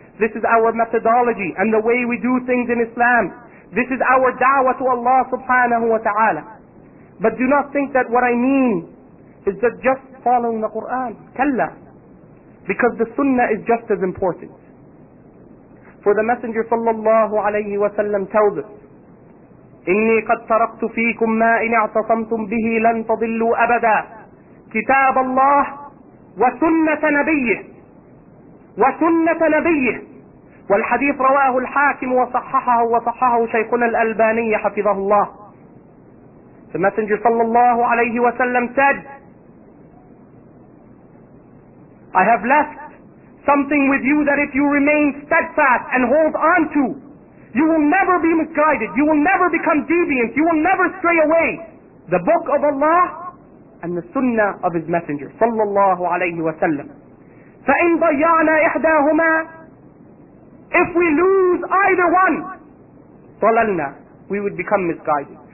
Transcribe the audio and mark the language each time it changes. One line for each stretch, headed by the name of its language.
English: This is our methodology and the way we do things in Islam. This is our da'wah to Allah subhanahu wa ta'ala. But do not think that what I mean is that just following the Qur'an. Kalla. Because the sunnah is just as important.
Arabic: For the Messenger sallallahu alayhi wa sallam tells us, إِنِّي قَدْ تَرَقْتُ فِيكُمْ مَا إِنْ اَعْتَصَمْتُمْ بِهِ لَنْ تَضِلُّوا أَبَدًا كِتَابَ اللَّهِ وَسُنَّةَ نَبِيِّهِ وَسُنَّةَ نَبِيِّهِ وَالْحَدِيثِ رَوَاهُ الْحَاكِمُ وَصَحَّحَهُ وَصَحَّحَهُ شَيْخُنَا الْأَلْبَانِيَّ حَفِظَهُ اللَّهُ
English: The Messenger sallallahu alayhi wa sallam said, I have left something with you that if you remain steadfast and hold on to, you will never be misguided. You will never become deviant. You will never stray away. The book of Allah and the sunnah of His Messenger, sallallahu alayhi wa sallam.
Arabic: فَإِنْ ضَيَّعْنَا إِحْدَاهُمَا
English: If we lose either one,
Arabic: ضَلَلْنَا
English: We would become misguided.